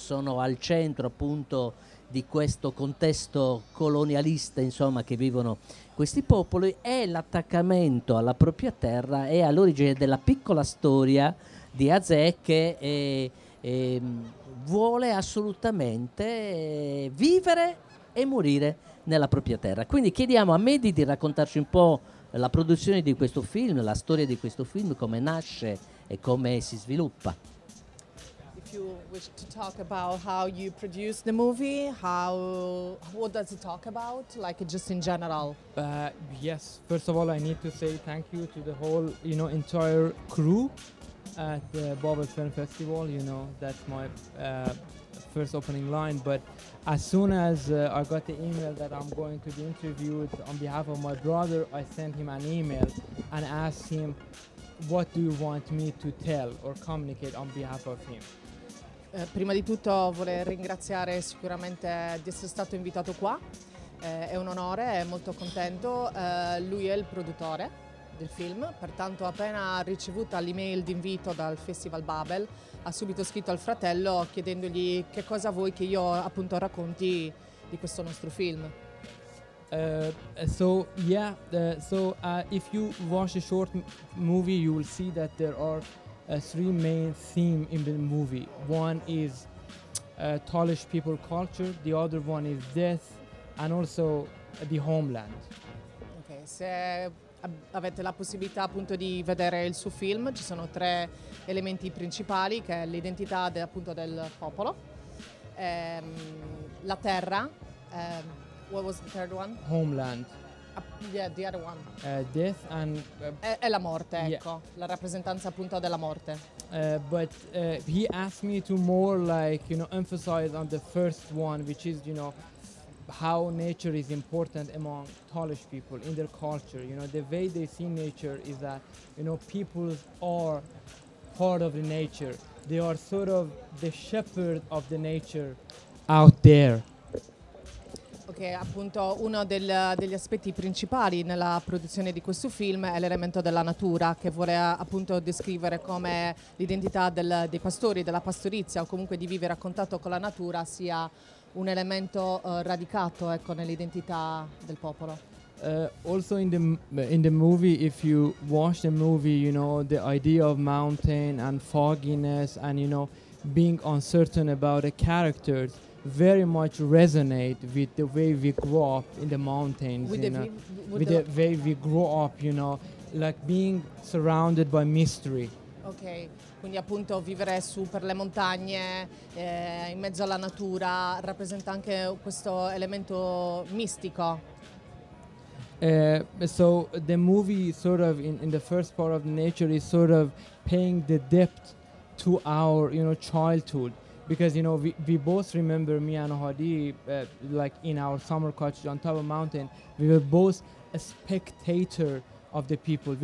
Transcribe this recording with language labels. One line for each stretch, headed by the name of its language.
Italian: Sono al centro appunto di questo contesto colonialista, insomma, che vivono questi popoli, è l'attaccamento alla propria terra e all'origine della piccola storia di Azè, che vuole assolutamente vivere e morire nella propria terra. Quindi chiediamo a Mehdi di raccontarci un po' la produzione di questo film, la storia di questo film, come nasce e come si sviluppa.
English: You wish to talk about how you produce the movie, how, what does it talk about, like just in general? Yes, first of all I need to say thank you to the whole, you know, entire crew at the Babel Film Festival, you know, that's my first opening line, but as soon as I got the email that I'm going to be interviewed on behalf of my brother, I sent him an email and asked him, what do you want me to tell or communicate on behalf of him?
Italian: Prima di tutto vorrei ringraziare sicuramente di essere stato invitato qua, è un onore, è molto contento, lui è il produttore del film, pertanto appena ricevuta l'email d'invito dal Festival Babel ha subito scritto al fratello chiedendogli che cosa vuoi che io appunto racconti di questo nostro film.
English: If you watch a short movie you will see that there are three main themes in the movie. One is Talish people culture, the other one is death, and also the homeland.
Italian: Okay, se avete la possibilità appunto di vedere il suo film, ci sono tre elementi principali, che è l'identità appunto del popolo, la terra,
English: what was the third one? Homeland. Yeah, the other one. Death and
Italian: è la morte, ecco, yeah. La rappresentanza appunto della morte.
English: But he asked me to more like, you know, emphasize on the first one, which is, you know, how nature is important among Talish people in their culture. You know, the way they see nature is that, you know, people are part of the nature. They are sort of the shepherd of the nature out there.
Italian: Che appunto uno degli aspetti principali nella produzione di questo film è l'elemento della natura, che vuole appunto descrivere come l'identità dei pastori, della pastorizia o comunque di vivere a contatto con la natura sia un elemento radicato, ecco, nell'identità del popolo.
English: Also in the movie, if you watch the movie, you know, the idea of mountain and fogginess and, you know, being uncertain about the characters very much resonate with the way we grew up in the mountains, with the way we grew up, you know, like being surrounded by mystery.
Italian: Okay, quindi appunto vivere su per le montagne, in mezzo alla natura, rappresenta anche questo elemento mistico.
English: So the movie sort of in the first part of nature is sort of paying the debt to our, you know, childhood. Because, you know, we both remember, me and Hadi, like in our summer cottage on top of a mountain, we were both a spectator of the people.